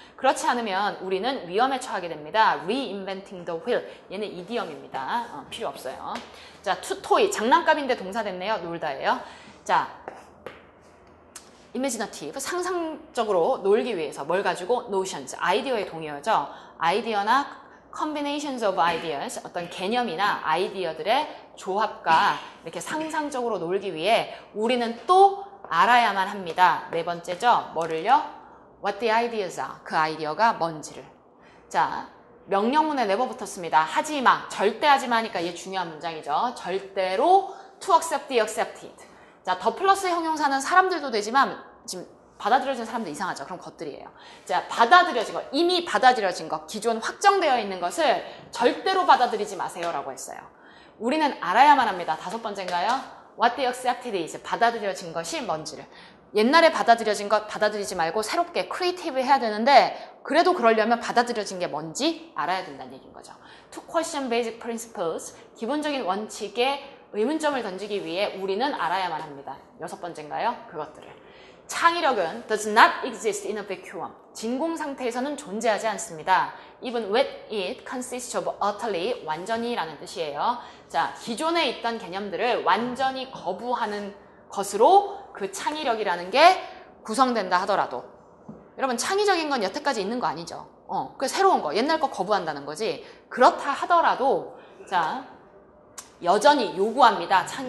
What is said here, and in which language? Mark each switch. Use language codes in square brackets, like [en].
[ko] 그렇지 않으면 우리는 위험에 처하게 됩니다. [en] Reinventing the wheel. [ko] 얘는 이디엄입니다. 필요 없어요. 자, [en] to toy. [ko] 장난감인데 동사됐네요. 놀다예요. 자, imaginative. 상상적으로 놀기 위해서. 뭘 가지고? Notions. 아이디어의 동의어죠. 아이디어나 [en] combinations of ideas. [ko] 어떤 개념이나 아이디어들의 조합과 이렇게 상상적으로 놀기 위해 우리는 또 알아야만 합니다. 네 번째죠. 뭐를요? [en] What the ideas are. [ko] 그 아이디어가 뭔지를. 자, 명령문에 never붙었습니다. 하지마. 절대 하지마 하니까 얘 중요한 문장이죠. 절대로 [en] to accept the accepted. [ko] 자, 더 플러스 형용사는 사람들도 되지만 지금 받아들여진 사람도 이상하죠. 그럼 것들이에요. 자, 받아들여진 것, 이미 받아들여진 것, 기존 확정되어 있는 것을 절대로 받아들이지 마세요라고 했어요. 우리는 알아야만 합니다. 다섯 번째인가요? [en] What the accepted is. [ko] 받아들여진 것이 뭔지를. 옛날에 받아들여진 것 받아들이지 말고 새롭게 크리에이티브 해야 되는데 그래도 그러려면 받아들여진 게 뭔지 알아야 된다는 얘기인 거죠. [en] To question basic principles. [ko] 기본적인 원칙에 의문점을 던지기 위해 우리는 알아야만 합니다. 여섯 번째인가요? 그것들을. 창의력은 [en] does not exist in a vacuum. [ko] 진공 상태에서는 존재하지 않습니다. [en] Even with it consists of utterly, [ko] 완전히 라는 뜻이에요. 자, 기존에 있던 개념들을 완전히 거부하는 것으로 그 창의력이라는 게 구성된다 하더라도. 여러분, 창의적인 건 여태까지 있는 거 아니죠. 그 새로운 거, 옛날 거 거부한다는 거지. 그렇다 하더라도, 자, 여전히 요구합니다.